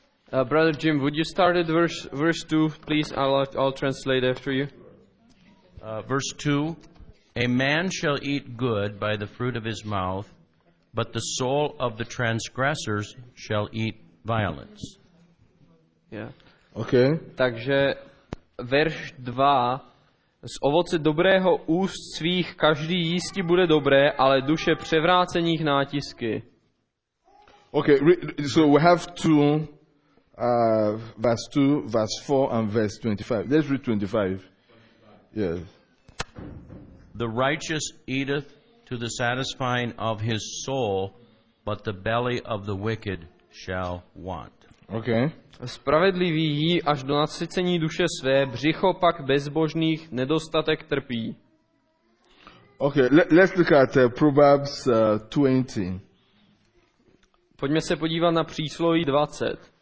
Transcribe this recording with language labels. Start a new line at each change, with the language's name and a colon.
English: Brother Jim, would you start at verse 2, please? I'll translate after you. Verse 2. A man shall eat good by the fruit of his mouth, but the soul of the transgressors shall eat violence. Yeah. Okay.
Czech: Takže verš 2. Z ovoce dobrého úst svých každý jistě bude dobré, ale duše převrácených nátisky.
English: Okay, so we have two, verse 2, verse 4 and verse 25. Let's read 25. Yes. The righteous eateth to the satisfying of his soul, but the belly of the wicked shall want. Okay.
Czech: Spravedlivý jí až do nasycení duše své, břicho pak bezbožných nedostatek trpí.
English: Okay, let's look at Proverbs 20.
Czech: Pojďme se podívat na přísloví 20.